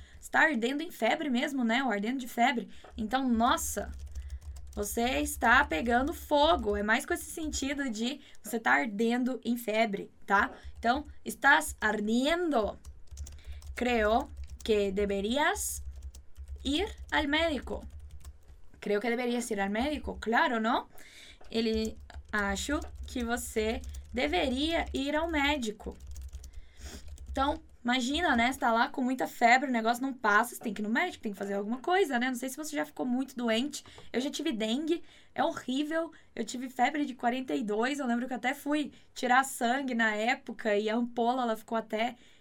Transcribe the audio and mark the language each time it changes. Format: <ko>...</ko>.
<pt>Está ardendo em febre mesmo, né, o ardendo de febre. Então, nossa, você está pegando fogo, é mais com esse sentido de você estar ardendo em febre, tá?</pt> <es>Então, estás ardiendo. Creo que deberías ir al médico. Creo que deberías ir al médico. Claro, ¿no?</es> <pt>Ele, acho que você deveria ir ao médico. Então, imagina, né? Você tá lá com muita febre, o negócio não passa, você tem que ir no médico, tem que fazer alguma coisa, né? Não sei se você já ficou muito doente. Eu já tive dengue, é horrível. Eu tive febre de 42, eu lembro que até fui tirar sangue na época e a ampola, ela ficou até...</pt>